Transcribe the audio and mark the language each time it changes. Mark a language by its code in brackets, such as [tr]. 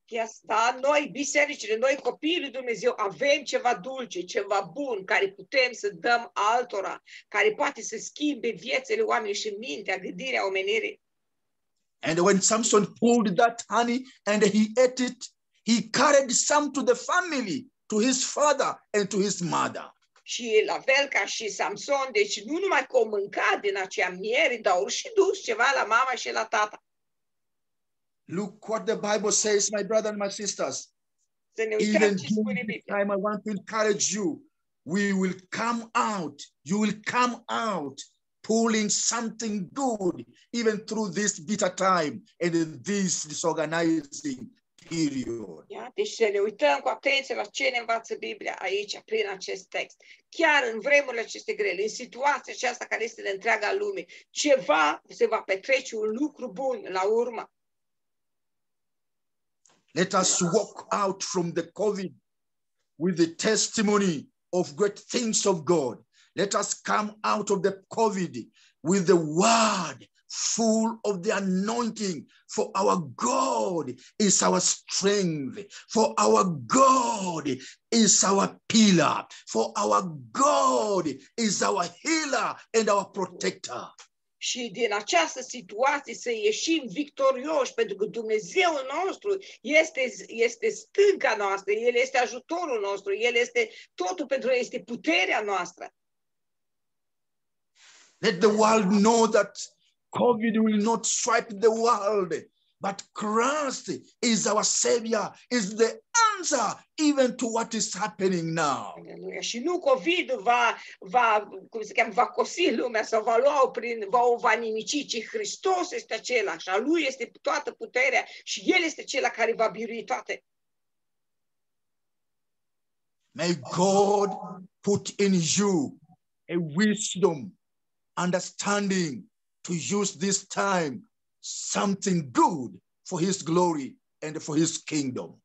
[ro] chestia asta, noi, bisericile, noi, copiii lui Dumnezeu, avem ceva dulce, ceva bun, care putem să dăm altora, care poate să schimbe viețile oamenilor și mintea, gândirea omenirii. [en] And when Samson pulled that honey and he ate it, he carried some to the family, to his father and to his mother. [ro] Și la fel ca și Samson, deci nu numai că o mânca din acea miere, dar și dus ceva la mama și la tata. [en] Look what the Bible says, my brothers and my sisters. [ro] Să ne uităm [en] even [ro] ce spune Biblia. [en] Time I want to encourage you. We will come out. You will come out pulling something good even through this bitter time and this disorganizing period. [ro] Yeah, deci să ne uităm cu atenție la ce ne învață Biblia aici, prin acest text. Chiar în vremurile aceste grele, în situația aceasta care este de întreaga lume, ceva se va petrece, un lucru bun la urmă. [en] Let us walk out from the COVID with the testimony of great things of God. Let us come out of the COVID with the word full of the anointing. For our God is our strength. For our God is our pillar. For our God is our healer and our protector. [ro] Și din această situație să ieșim victorioși, pentru că Dumnezeu nostru este stânca noastră, El este ajutorul nostru, El este totul pentru noi, este puterea noastră. [en] Let the world know that COVID will not swipe the world, but Christ is our Savior, is the answer even to what is happening now. [ro] Și nu COVID va cum se cheamă, va cosi lumea sau va lua-o prin, va nimici, ci Hristos este acela și a Lui este toată puterea și El este acela care va birui toate. [en] May God put in you a wisdom, understanding to use this time something good for His glory and for His kingdom.